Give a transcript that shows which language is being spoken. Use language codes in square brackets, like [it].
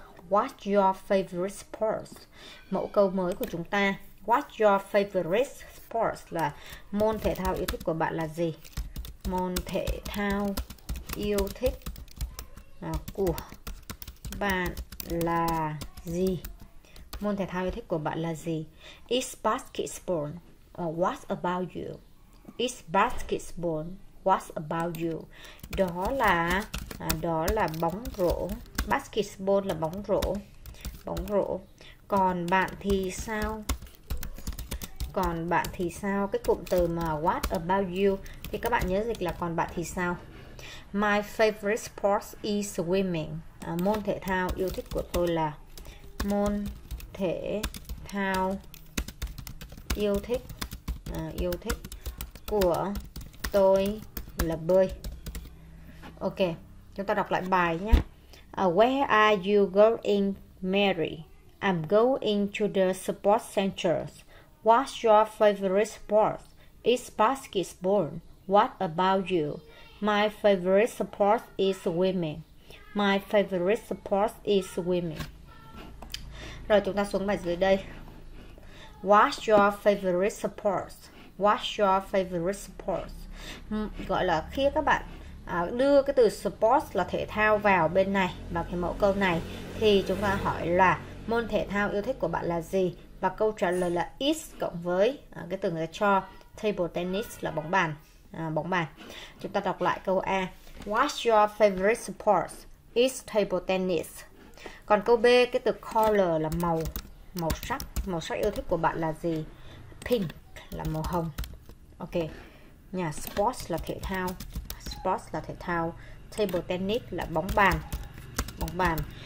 [en] What's your favorite sports? [vi] Mẫu câu mới của chúng ta. [en] What's your favorite sports [vi] là môn thể thao yêu thích của bạn là gì? Môn thể thao yêu thích của bạn là gì? Môn thể thao yêu thích của bạn là gì? [en] Is basketball? What about you? Is basketball? What about you? [vi] Đó là bóng rổ. Basketball là bóng rổ. Bóng rổ. Còn bạn thì sao? Còn bạn thì sao? Cái cụm từ mà [en] what about you [vi] thì các bạn nhớ dịch là còn bạn thì sao? [en] My favorite sport is swimming. [vi] Môn thể thao yêu thích của tôi là môn thể thao yêu thích của tôi là bơi. Ok, chúng ta đọc lại bài nhé. [en] Where are you going, Mary? I'm going to the sports center. What's your favorite sport? It's basketball. What about you? My favorite sport is swimming. My favorite sport is swimming. [vi] Rồi chúng ta xuống bài dưới đây. [en] What's your favorite sport? What's your favorite sport? [vi] Gọi là khi các bạn đưa cái từ sports là thể thao vào bên này và cái mẫu câu này thì chúng ta hỏi là môn thể thao yêu thích của bạn là gì, và câu trả lời là is cộng với cái từ người ta cho, table tennis là bóng bàn. Bóng bàn. Chúng ta đọc lại câu A. [en] What's your favorite sport? Is table tennis. [vi] Còn câu B, cái từ color là màu, màu sắc yêu thích của bạn là gì? Pink là màu hồng. Ok. Nhà sports là thể thao, sports là thể thao, table tennis là bóng bàn, bóng bàn.